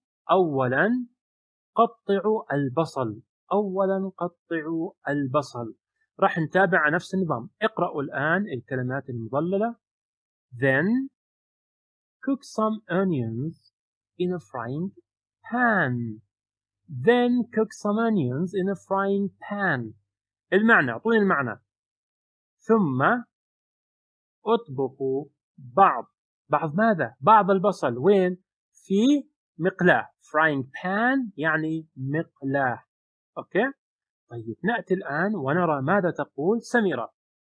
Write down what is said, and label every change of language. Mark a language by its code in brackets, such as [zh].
[ar] أولاً قطعوا البصل. أولاً قطعوا البصل. راح نتابع نفس النظام. اقرأوا الآن الكلمات المضللة. [en] Then cook some onions in a frying pan. Then cook some onions in a frying pan. [ar] المعنى، أعطوني المعنى. ثم أطبخوا بعض ماذا؟ بعض البصل. وين؟ في مقلاة. Frying pan يعني مقلاة. أوكي؟ طيب نأتي الآن ونرى ماذا تقول سميرة.